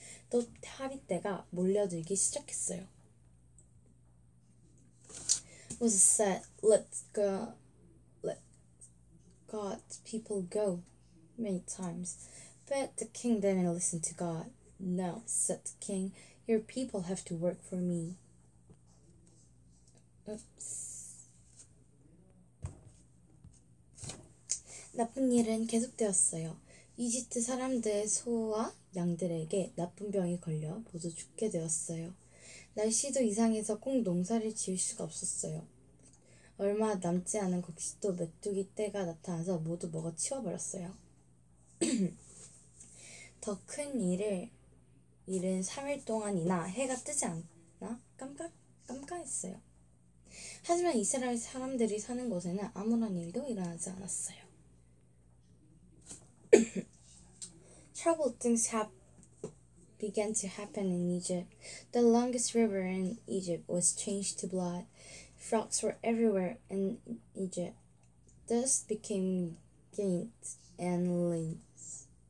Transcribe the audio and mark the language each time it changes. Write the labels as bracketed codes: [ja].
[ko] 또 타리떼가 몰려들기 시작했어요. [en] Moses said, let God's people go many times. But the king didn't listen to God. No, said the king, your people have to work for me. Oops. [ko] 나쁜 일은 계속되었어요. 이집트 사람들의 소와 양들에게 나쁜 병이 걸려 모두 죽게 되었어요. 날씨도 이상해서 꼭 농사를 지을 수가 없었어요. 얼마 남지 않은 곡식도 메뚜기 떼가 나타나서 모두 먹어 치워버렸어요. 더 큰 일은 3일 동안이나 해가 뜨지 않나 깜깜했어요. 하지만 이스라엘 사람들이 사는 곳에는 아무런 일도 일어나지 않았어요. [en] Troubled things began to happen in Egypt. The longest river in Egypt was changed to blood. Frogs were everywhere in Egypt. Dust became gained and lice.